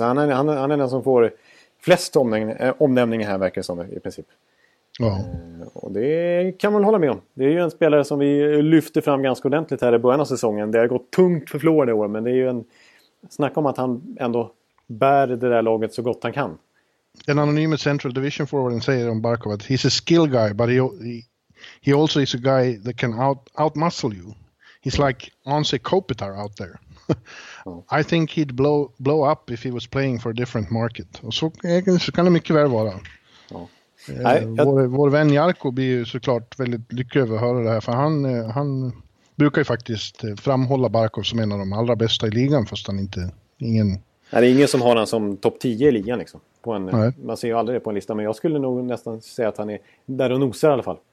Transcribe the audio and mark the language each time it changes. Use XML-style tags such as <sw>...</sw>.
<sv>Han är den som får flest omnämningar här, verkar som i princip. Ja. Och det kan man hålla med om. Det är ju en spelare som vi lyfter fram ganska ordentligt här i början av säsongen. Det har gått tungt för Florida år, men det är ju en snack om att han ändå bär det där laget så gott han kan. En anonym Central Division forwarden säger om Barkov att</sv> <en>he's a skill guy, but he also is a guy that can out-muscle you. He's like Anze Kopitar out there. I think he'd blow up if he was playing for a different market.</en> <sv>Och så kan det mycket väl vara. Vår vän Jarko blir ju såklart väldigt lycklig över att höra det här, för han brukar ju faktiskt framhålla Barkov som en av de allra bästa i ligan, fast han inte, ingen... Nej, det är ingen som har han som topp 10 i ligan liksom. Man ser ju aldrig det på en lista, men jag skulle nog nästan säga att han är där och nosar i alla fall.</sv>